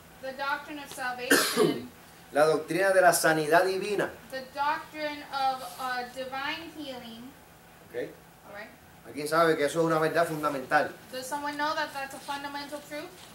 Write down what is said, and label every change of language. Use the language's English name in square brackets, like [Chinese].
[English] The doctrine of salvation. [Spanish] La doctrina de la sanidad divina. [English] The doctrine of divine healing. Okay. All right. [Spanish] ¿Alguien sabe que eso es una verdad fundamental? [English] Does someone know that that's a fundamental truth?